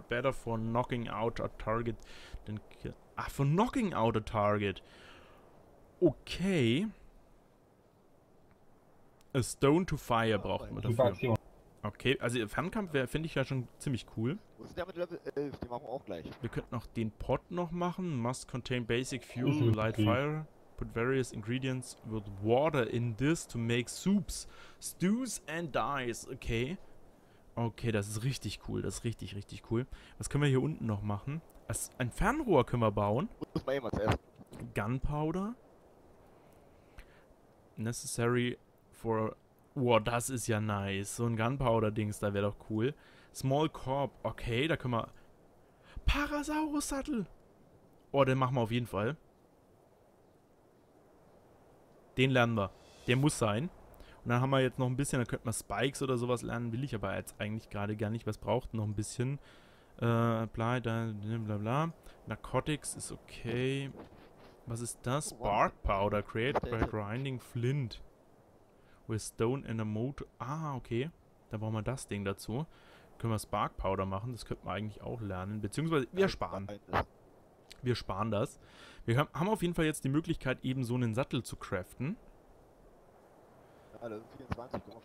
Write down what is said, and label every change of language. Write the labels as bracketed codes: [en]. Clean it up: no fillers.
[en] Better for knocking out a target. For knocking out a target. Okay. A stone to fire [de] braucht man dafür. Okay, also Fernkampf wäre, finde ich ja schon ziemlich cool. Wo ist der mit Level 11? Den machen wir auch gleich. Wir könnten auch den Pot noch machen. [en] Must contain basic fuel, light fire. Put various ingredients with water in this to make soups, stews and dyes. Okay. [de] Okay, das ist richtig cool. Das ist richtig, richtig cool. Was können wir hier unten noch machen? Ein Fernrohr können wir bauen. Gunpowder. [en] Necessary for... [de] Wow, das ist ja nice. So ein Gunpowder-Dings, da wäre doch cool. Small Corp. Okay, da können wir... Parasaurus-Sattel. Oh, den machen wir auf jeden Fall. Den lernen wir. Der muss sein. Und dann haben wir jetzt noch ein bisschen, da könnte man Spikes oder sowas lernen, will ich aber jetzt eigentlich gerade gar nicht. Was braucht noch ein bisschen? Bla bla bla. Narcotics ist okay. Was ist das? [en] Spark Powder, created by grinding Flint. With stone and a motor. Ah, okay. [de] Dann brauchen wir das Ding dazu. Können wir Spark Powder machen, das könnte man eigentlich auch lernen. Beziehungsweise, wir sparen. Wir sparen das. Wir haben auf jeden Fall jetzt die Möglichkeit, eben so einen Sattel zu craften. Alle 24.